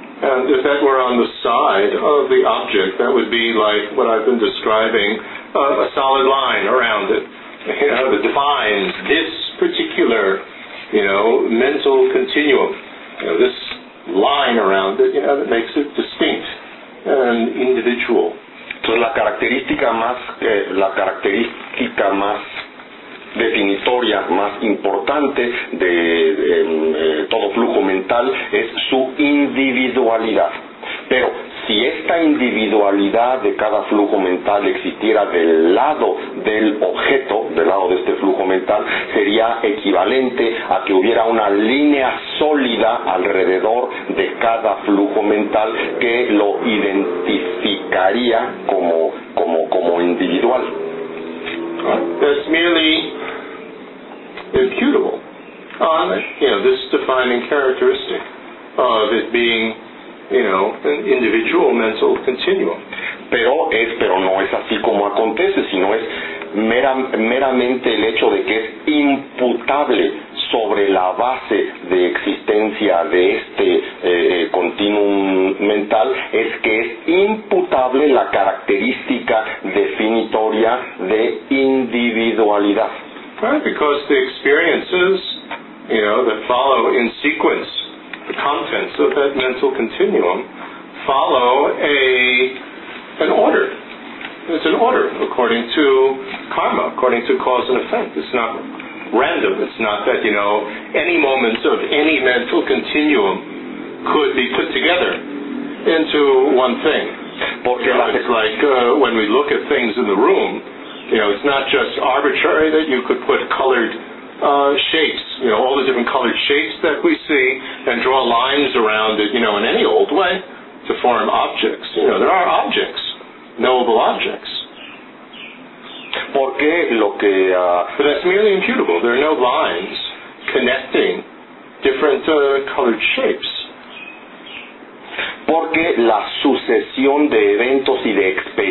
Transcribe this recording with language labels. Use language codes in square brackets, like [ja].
[en] And if that were on the side of the object, that would be like what I've been describing, a solid line around it. It defines this particular mental continuum, this line around it, that makes it distinct and individual. [es] So la característica más definitoria, más importante de todo flujo mental es su individualidad. Pero si esta individualidad de cada flujo mental existiera del lado del objeto, del lado de este flujo mental, sería equivalente a que hubiera una línea sólida alrededor de cada flujo mental que lo identificaría como individual. [en] That's merely imputable on this defining characteristic of it being an individual mental continuum. [es] Pero no es así como acontece, sino es meramente el hecho de que es imputable sobre la base de existencia de este continuum mental, es que es imputable la característica definitoria de individualidad. [en] Right, because the experiences, that follow in sequence, the contents of that mental continuum follow an order. It's an order according to karma, according to cause and effect. It's not random. It's not that, any moment of any mental continuum could be put together into one thing. It's like when we look at things in the room, it's not just arbitrary that you could put colored shapes, all the different colored shapes that we see, and draw lines around it, in any old way to form objects. There are objects, knowable objects. [es] Porque lo que, [en] but that's merely imputable. There are no lines connecting different colored shapes. [es] Porque la sucesión de eventos y de experiencias